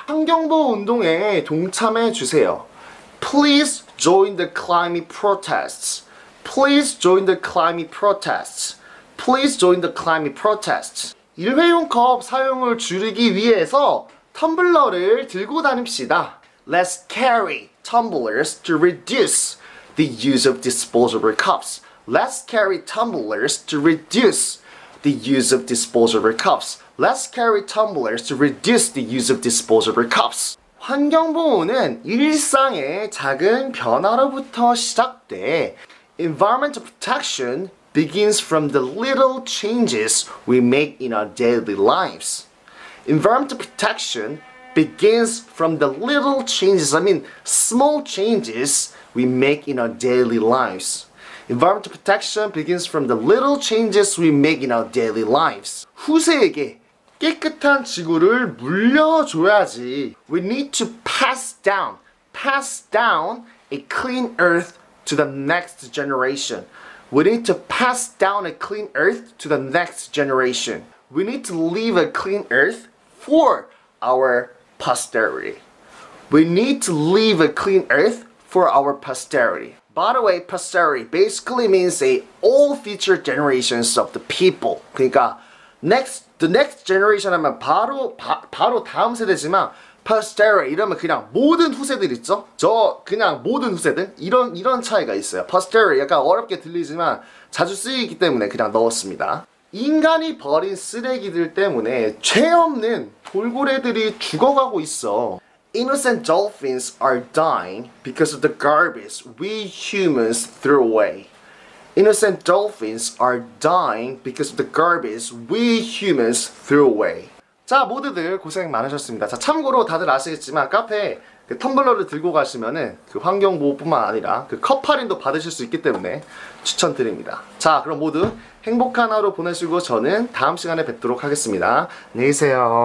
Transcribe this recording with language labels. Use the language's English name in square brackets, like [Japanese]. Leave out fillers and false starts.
[Korean] 환경보호 운동에 동참해 주세요. [English] Please join the climate protests. Please join the climate protests. Please join the climate protests. [Korean] 일회용 컵 사용을 줄이기 위해서 텀블러를 들고 다닙시다. [English] Let's carry tumblers to reduce the use of disposable cups. Let's carry tumblers to reduce the use of disposable cups. Let's carry tumblers to reduce the use of disposable cups. [Korean] 환경보호는 일상의 작은 변화로부터 시작돼 [English] Environmental protection begins from the little changes we make in our daily lives. Environmental protection begins from the little changes, I mean small changes we make in our daily lives. Environmental protection begins from the little changes we make in our daily lives. [Korean] 후세에게 깨끗한 지구를 물려줘야지. [English] We need to pass down a clean earth to the next generation. We need to pass down a clean earth to the next generation. We need to leave a clean earth for our posterity. We need to leave a clean earth for our posterity. By the way, posterity basically means all future generations of the people. [Korean] 그러니까 [English] the next generation [Korean] 하면 바로 다음 세대지만 posterity 이러면 그냥 모든 후세들 있죠? 저 그냥 모든 후세들 이런 차이가 있어요. Posterity 약간 어렵게 들리지만 자주 쓰이기 때문에 그냥 넣었습니다. 인간이 버린 쓰레기들 때문에 죄 없는 돌고래들이 죽어가고 있어. [English] Innocent dolphins are dying because of the garbage we humans threw away. Innocent dolphins are dying because of the garbage we humans threw away. [Korean] 자, 모두들 고생 많으셨습니다. 자, 참고로 다들 아시겠지만 카페에 그 텀블러를 들고 가시면은 그 환경보호뿐만 아니라 그 컵 할인도 받으실 수 있기 때문에 추천드립니다. 자, 그럼 모두 행복한 하루 보내시고 저는 다음 시간에 뵙도록 하겠습니다. 안녕히 계세요.